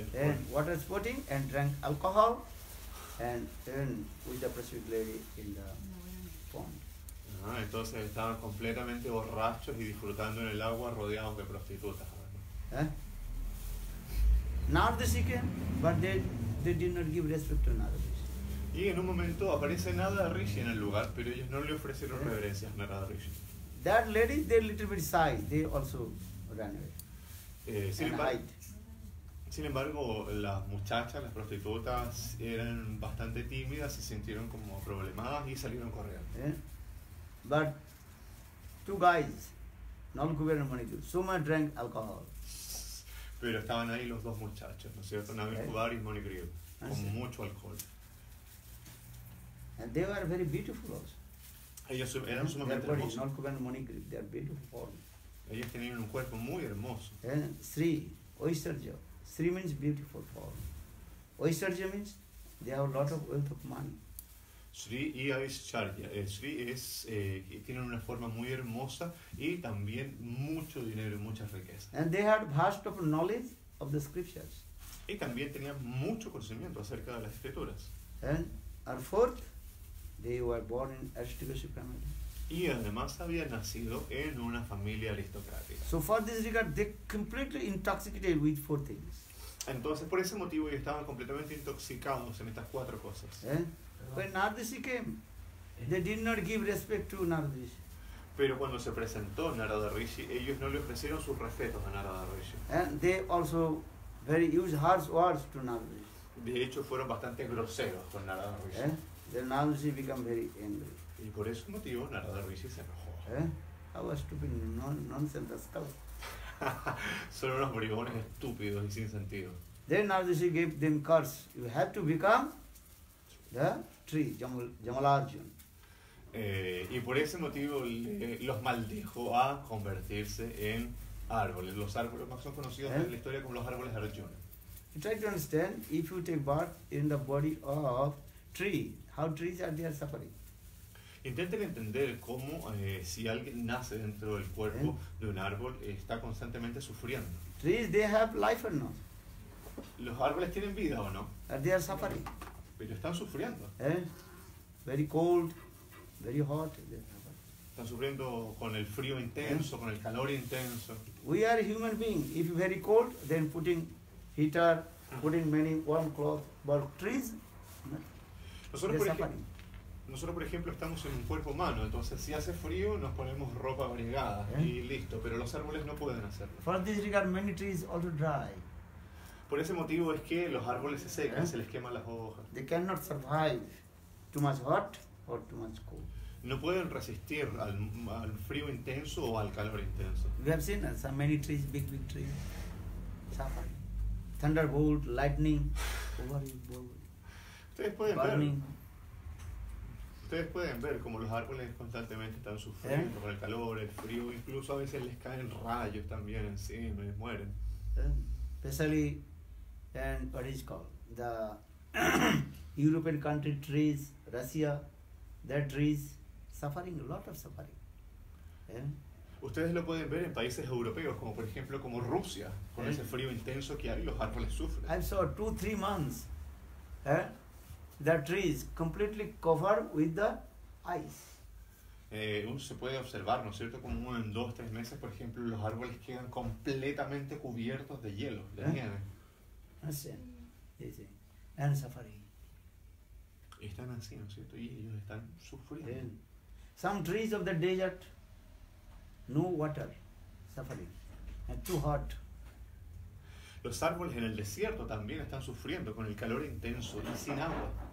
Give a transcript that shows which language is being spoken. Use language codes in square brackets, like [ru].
[en] And water sporting and drank alcohol and then with the prostitute lady in the pond. [es] Entonces estaban completamente borrachos y disfrutando en el agua rodeados de prostitutas. [en] Narada Rishi came, but they did not give respect to Narada Rishi. [es] Y en un momento aparece Narada Rishi en el lugar, pero ellos no le ofrecieron reverencias a Narada Rishi. [en] That lady, they a little bit shy, they also ran away. [es] Sin embargo, las muchachas, las prostitutas, eran bastante tímidas, se sintieron como problemadas y salieron corriendo. [en] But two guys, Nal Kubir and Muni Griva, so much drank alcohol. [es] Pero estaban ahí los dos muchachos, ¿no es cierto? Nal Kubir y Muni Griva, con mucho alcohol. [en] And they were very beautiful also. [es] Ellos eran sumamente hermosos. [en] Nal Kubir and Muni Griva, they are beautiful. [es] Ellos tenían un cuerpo muy hermoso. [en] Sri, Oistarja. Sri means beautiful form. Oistarja means they have a lot of wealth of money. [es] Sri y Oistarja. Sri es tienen una forma muy hermosa y también mucho dinero y muchas riquezas. [en] And they had vast of knowledge of the scriptures. [es] Y también tenían mucho conocimiento acerca de las escrituras. [en] And our fourth, they were born in aristocracy family. [es] Y además había nacido en una familia aristocrática. [en] So for this regard, they completely intoxicated with four things. [es] Entonces, por ese motivo, ellos estaban completamente intoxicados en estas cuatro cosas. [en] When Narada Rishi came, they did not give respect to Narada Rishi. [es] Pero cuando se presentó Narada Rishi, ellos no le ofrecieron sus respetos a Narada Rishi. [en] And they also very used harsh words to Narada Rishi. [es] De hecho, fueron bastante groseros con Narada Rishi. [en] Then Narada Rishi became very angry. [es] Y por ese motivo, Narada Rishi se enojó. [en] How stupid, nonsense, scouts. [es] Son unos bribones estúpidos y sin sentido. [en] Then Narada Rishi gave them curse. You have to become the tree, Jamalarjun. [es] Y por ese motivo, los maldijo a convertirse en árboles. Los árboles más son conocidos en la historia como los árboles de Arjuna. [en] You try to understand, if you take birth in the body of tree, how trees are there suffering. [es] Intenten entender cómo si alguien nace dentro del cuerpo de un árbol está constantemente sufriendo. [en] Trees, they have life or not? [es] Los árboles tienen vida o no? [en] They are suffering. [es] Pero están sufriendo. [en] Very cold, very hot. [es] Están sufriendo con el frío intenso, con el calor intenso. [en] We are human beings. If very cold, then putting heater, putting many warm clothes. But trees, suffering. [es] Nosotros, por ejemplo, estamos en un cuerpo humano, entonces si hace frío nos ponemos ropa abrigada y listo, pero los árboles no pueden hacerlo. [en] For this regard, many trees also dry. [es] Por ese motivo es que los árboles se secan, se les queman las hojas. [en] They cannot survive too much hot or too much cold. [es] No pueden resistir al frío intenso o al calor intenso. [en] We have seen so many trees, big trees, suffer. Thunderbolt, lightning, burning. [es] Ustedes pueden ver cómo los árboles constantemente están sufriendo con el calor, el frío, incluso a veces les caen rayos también encima y mueren. [en] Especially, and what is called the European country trees, Russia, their trees suffering a lot of suffering. [es] Ustedes lo pueden ver en países europeos, como por ejemplo como Rusia, con ese frío intenso que hay, los árboles sufren. [en] And so 2-3 months, the trees completely covered with the ice. [es] Se puede observar, ¿no es cierto?, como en 2-3 meses, por ejemplo, los árboles quedan completamente cubiertos de hielo, de nieve. [en] And suffering. [es] Están así, ¿no es cierto?, y ellos están sufriendo. [en] Some trees of the desert, no water, suffering, and too hot. [es] Los árboles en el desierto también están sufriendo con el calor intenso y sin agua.